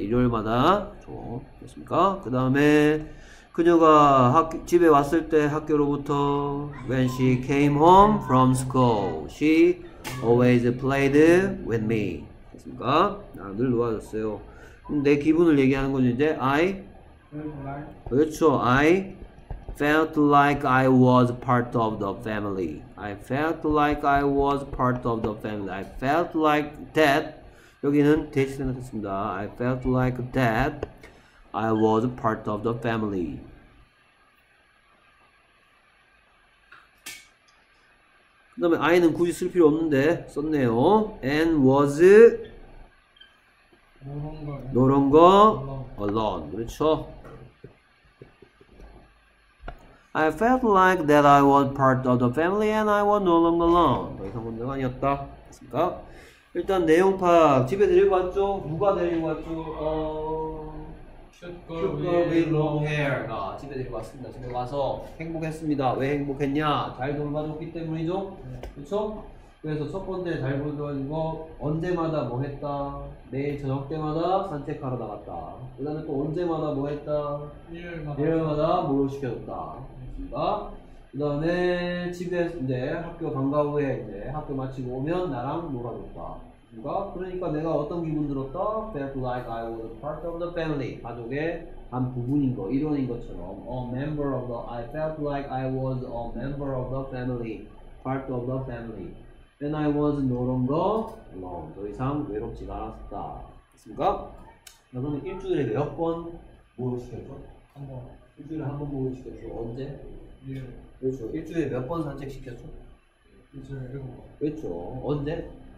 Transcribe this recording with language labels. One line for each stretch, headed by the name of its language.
Korean: 일요일마다. 좋아. 됐습니까? 그 다음에 그녀가 집에 왔을 때 학교로부터
English: when she came home from school. she always played with me.
Korean: 됐습니까? 아, 늘 놓아줬어요. 내 기분을 얘기하는 건 이제 I
English: felt like.
Korean: 그렇죠.
English: I felt like I was part of the family. I felt like I was part of the family. I felt like that.
Korean: 여기는 대체 생각했습니다.
English: I felt like that I was part of the family.
Korean: 그 다음에 I는 굳이 쓸 필요 없는데 썼네요.
English: And was no longer alone.
Korean: 그렇죠.
English: I felt like that I was part of the family and I was no longer alone.
Korean: 더 이상 문제가 아니었다. 됐습니까? 일단 내용 파악. 집에 데리고 왔죠? 누가 데리고 왔죠?
English: Cute girl with long hair.
Korean: 아, 집에 데리고 왔습니다. 집에 와서 행복했습니다. 왜 행복했냐? 잘 돌봐줬기 때문이죠? 네. 그쵸? 그래서 첫 번째 잘 돌봐주고 언제마다 뭐 했다? 매일 저녁 때마다 산책하러 나갔다. 그 다음에 또 언제마다 뭐 했다? 일요일마다 뭐를 시켜줬다. 됐습니다. 그 다음에 집에 이제 학교 방과 후에 이제 학교 마치고 오면 나랑 놀아줬다. 그러니까 내가 어떤 기분 들었다?
English: felt like I was part of the family.
Korean: 가족의 한 부분인 거, 일원인 것처럼.
English: A member of the, I felt like I was a member of the family. part of the family. And I was no longer alone.
Korean: 더 이상 외롭지가 않았다. 됐습니까? 그러면 일주일에 몇 번 뭐를 시켜줘? 한 번. 일주일에 한 번 뭐를 시켜줘? 언제? 일요일. 그렇죠. 일주일에 몇 번 산책시켜줘? 일주일에 일곱 번. 그렇죠. 언제?